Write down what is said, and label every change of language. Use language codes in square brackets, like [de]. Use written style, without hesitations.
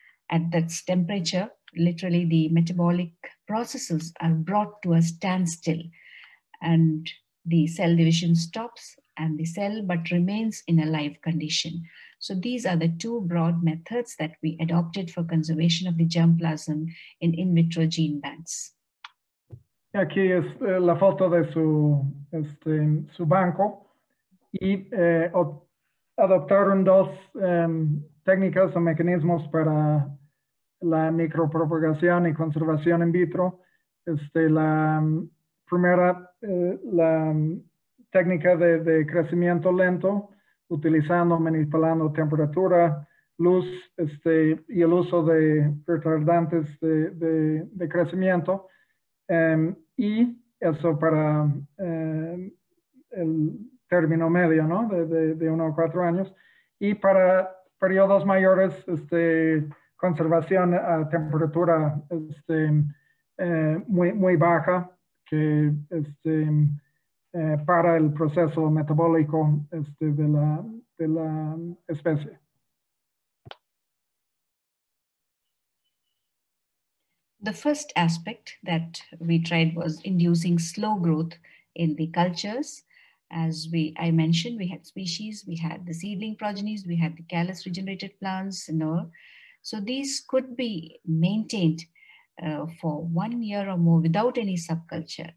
[en] At that temperature, literally the metabolic processes are brought to a standstill and the cell division stops and the cell but remains in a live condition. So these are the two broad methods that we adopted for conservation of the germplasm in vitro gene banks. [es] Aquí es la foto de su banco, y adoptaron dos técnicas o mecanismos para la micropropagación y conservación in vitro. La primera, la técnica de crecimiento lento, utilizando, manipulando temperatura, luz, y el uso de retardantes de crecimiento. Y eso para el término medio, ¿no? De 1 a 4 años. Y para periodos mayores este conservación a temperatura este muy baja que este para el proceso metabólico este de la especie. [en] The first aspect that we tried was inducing slow growth in the cultures. As I mentioned, we had species, we had the seedling progenies, we had the callus regenerated plants, and all. So these could be maintained for 1 year or more without any subculture.